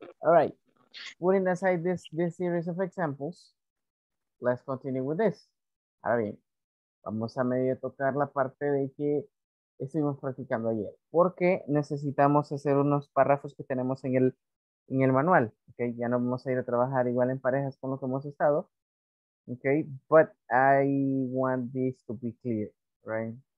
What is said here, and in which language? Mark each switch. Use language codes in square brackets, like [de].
[en] All right, putting aside this series of examples, let's continue with this. [es] Ahora bien, vamos a medio tocar la parte de que estuvimos practicando ayer, porque necesitamos hacer unos párrafos que tenemos en el manual, ¿ok? Ya no vamos a ir a trabajar igual en parejas con lo que hemos estado, ¿ok? [en] But I want this to be clear, right?